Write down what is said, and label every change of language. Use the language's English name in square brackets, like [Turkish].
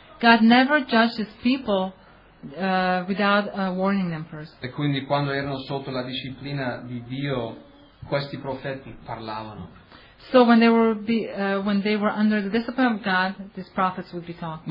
[English] God never judged His people without warning them first. [Italian] E quindi quando erano sotto la disciplina di Dio, questi profeti parlavano. [English] So when they were under the discipline of God, these prophets would be talking.